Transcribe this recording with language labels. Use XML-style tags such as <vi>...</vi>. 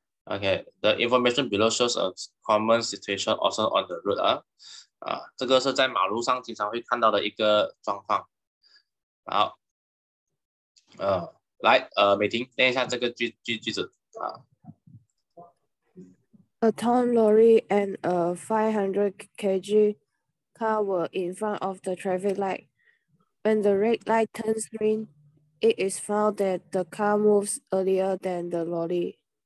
<en>Okay, the information below shows a common situation also on the road.</en> <zh>这个是在马路上经常会看到的一个状况。好, 来, 美婷, 念一下这个句子。</zh> <en>A ton lorry and a 500 kg car were in front of the traffic light. When the red light turns green, it is found that the car moves earlier than the lorry.</en>